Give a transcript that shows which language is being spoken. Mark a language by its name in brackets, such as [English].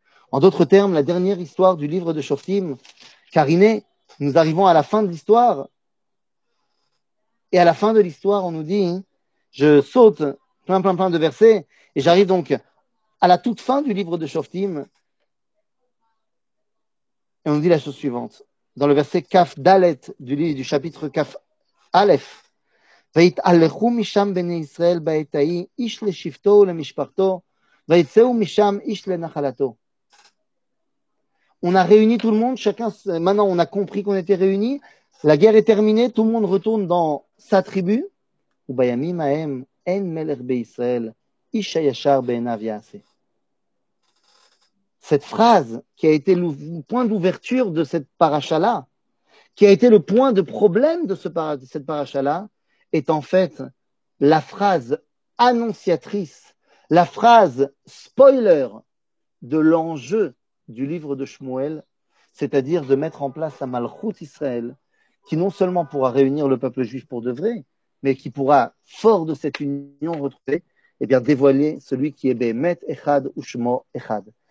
[French] En d'autres termes, la dernière histoire du livre de Shoftim, Karine, nous arrivons à la fin de l'histoire. Et à la fin de l'histoire, on nous dit, je saute plein de versets, et j'arrive donc à la toute fin du livre de Shoftim, et on nous dit la chose suivante. Dans le verset Kaf Dalet du livre du chapitre Kaf Aleph, [Hebrew] ויתהלכו משם בני ישראל בעת ההיא איש לשבטו ולמשפחתו ויצאו משם איש לנחלתו. [French] On a réuni tout le monde, chacun, maintenant on a compris qu'on était réunis, la guerre est terminée, tout le monde retourne dans sa tribu. [Hebrew] ובימים ההם אין מלך בישראל איש הישר בעיניו יעשה. [French] Cette phrase qui a été le point d'ouverture de cette parasha-là, qui a été le point de problème de cette parasha-là, est en fait la phrase annonciatrice, la phrase spoiler de l'enjeu du livre de Shmuel, c'est-à-dire de mettre en place la Malchut Israël, qui non seulement pourra réunir le peuple juif pour de vrai, mais qui pourra, fort de cette union retrouvée, eh bien dévoiler celui qui est Behemet Echad ou Shmo Echad.